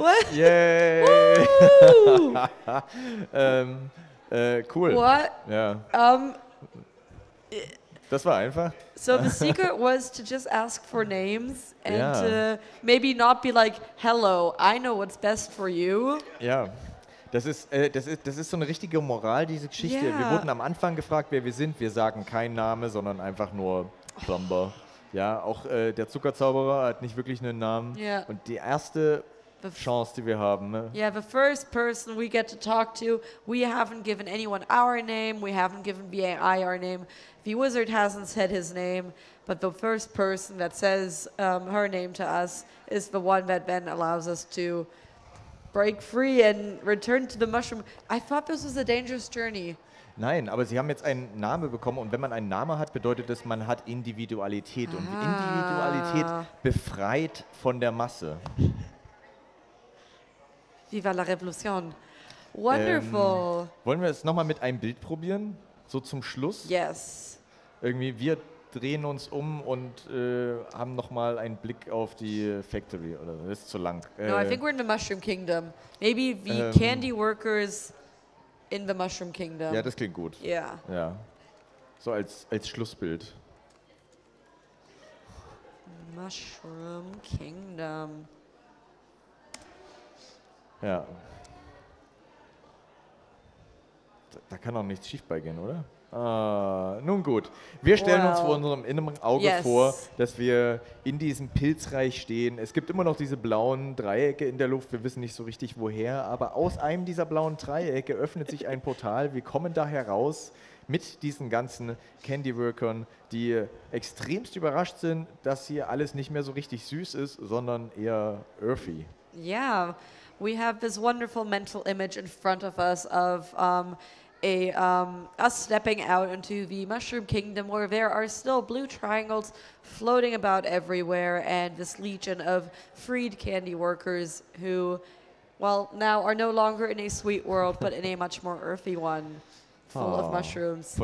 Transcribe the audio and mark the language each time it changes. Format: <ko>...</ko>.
<en>What? Yay! cool. What?</en> <de>Yeah. Das war einfach.</de> <en>So the secret was to just ask for names and maybe not be like, hello, I know what's best for you. Yeah.</en> <de>Das ist so eine richtige Moral, diese Geschichte. Yeah. Wir wurden am Anfang gefragt, wer wir sind. Wir sagen keinen Namen, sondern einfach nur Plumber. Ja, auch der Zuckerzauberer hat nicht wirklich einen Namen.</de> <en>Yeah.</en> <de>Und die erste Chance, die wir haben. Ne?</de> <en>Yeah, the first person we get to talk to, we haven't given anyone our name, we haven't given VAI our name. The wizard hasn't said his name, but the first person that says her name to us is the one that then allows us to break free and return to the mushroom. I thought this was a dangerous journey.</en> <de>Nein, aber sie haben jetzt einen Namen bekommen und wenn man einen Namen hat, bedeutet das, man hat Individualität und Individualität befreit von der Masse.</de> <en>Viva la Revolution. Wonderful.</en> <de>Wollen wir es nochmal mit einem Bild probieren? So zum Schluss?</de> <en>Yes.</en> <de>Irgendwie, wir drehen uns um und haben nochmal einen Blick auf die Factory. Oder das ist zu lang.</de> <en>No, I think we're in the Mushroom Kingdom. Maybe the candy workers in the Mushroom Kingdom.</en> <de>Ja, das klingt gut. Ja. Yeah. Ja. So als Schlussbild.</de> <en>Mushroom Kingdom.</en> <de>Ja. Da kann auch nichts schief beigehen, oder? Nun gut. Wir stellen uns vor unserem inneren Auge vor, dass wir in diesem Pilzreich stehen. Es gibt immer noch diese blauen Dreiecke in der Luft. Wir wissen nicht so richtig, woher. Aber aus einem dieser blauen Dreiecke öffnet sich ein Portal. Wir kommen da heraus mit diesen ganzen Candy-Workern, die extremst überrascht sind, dass hier alles nicht mehr so richtig süß ist, sondern eher earthy. Ja.</de> <en>We have this wonderful mental image in front of us of us stepping out into the Mushroom Kingdom, where there are still blue triangles floating about everywhere, and this legion of freed candy workers who, well, now are no longer in a sweet world, but in a much more earthy one, full of mushrooms.</en>